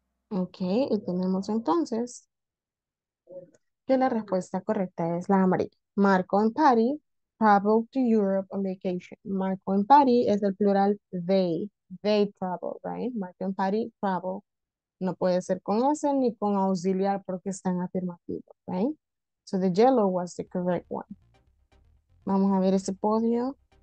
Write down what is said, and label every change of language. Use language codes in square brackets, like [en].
[es] Ok, y tenemos entonces que la respuesta correcta es la amarilla. [en] Marco and Patty travel to Europe on vacation. Marco and Patty es el plural they travel, right? Marco and Patty travel. [es] No puede ser con S ni con auxiliar porque está en afirmativo, right? [en] So the yellow was the correct one. Vamos a ver ese podio.